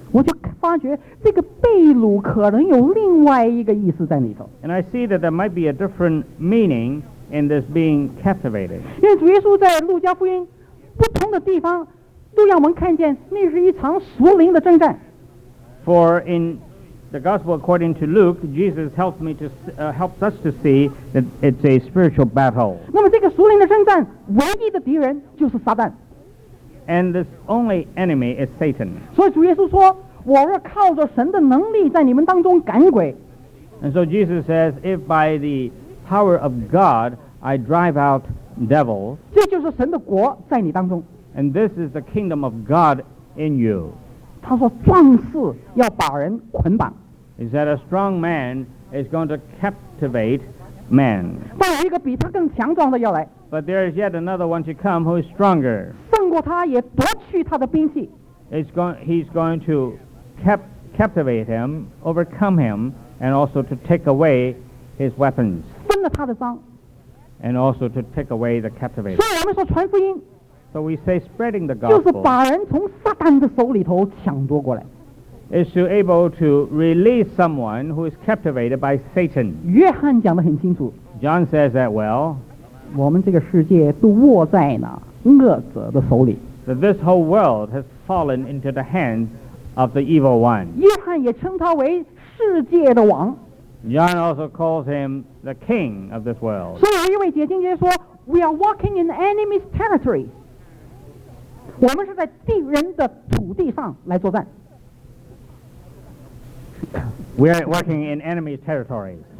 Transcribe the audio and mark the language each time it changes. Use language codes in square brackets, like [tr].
[zh] 我就发觉这个被掳可能有另外一个意思在里头。 [en] And I see that there might be a different meaning in this being captivated. [zh] 因为主耶稣在路加福音不同的地方都让我们看见那是一场属灵的征战。 [en] For in the gospel according to Luke, Jesus helped me to helps us to see that it's a spiritual battle. [zh] 那么这个属灵的征战，唯一的敌人就是撒旦。 [en] And this only enemy is Satan. [zh] 所以主耶稣说，我若靠着神的能力在你们当中赶鬼。 [en] And so Jesus says, if by the power of God I drive out devils. [zh] 这就是神的国在你当中。 [en] And this is the kingdom of God in you. [zh] 他说壮士要把人捆绑 [en] is that a strong man is going to captivate men [zh] 但有一个比他更强壮的要来 [en] but there is yet another one to come who is stronger [zh] 胜过他也夺去他的兵器 [en] he's going to captivate him overcome him and also to take away his weapons [zh] 分了他的赃 [en] and also to take away the captivated [zh] 所以我们说传福音 [en] So we say spreading the gospel [zh] 就是把人从撒旦的手里头抢夺过来 [en] is to able to release someone who is captivated by Satan [zh] 约翰讲得很清楚 [en] John says that well [zh] 我们这个世界都握在那恶者的手里 [en] that this whole world has fallen into the hands of the evil one [zh] 约翰也称他为世界的王 [en] John also calls him the king of this world [zh] 所以有一位解经家说 [en] We are walking in the enemy's territory [zh] 我们是在敌人的土地上来作战。 [en] We are working in enemy territory.